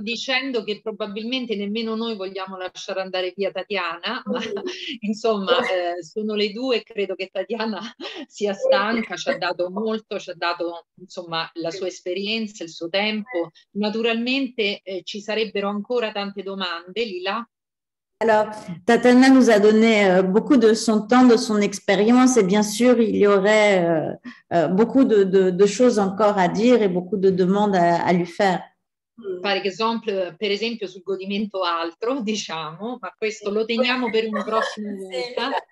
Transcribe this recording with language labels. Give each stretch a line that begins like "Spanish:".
Italian: dicendo che probabilmente nemmeno noi vogliamo lasciare andare via Tatiana, ma insomma sono le due e credo che Tatiana sia stanca, ci ha dato molto, ci ha dato insomma la sua esperienza, il suo tempo. Naturalmente ci sarebbero ancora tante domande, Lila.
French: Alors, Tatiana nous a donné beaucoup de son temps, de son expérience, et bien sûr, il y aurait beaucoup de choses encore à dire et beaucoup de demandes à lui faire. Par exemple,
Italian: sul godimento altro, diciamo, ma questo lo teniamo per una prossima volta.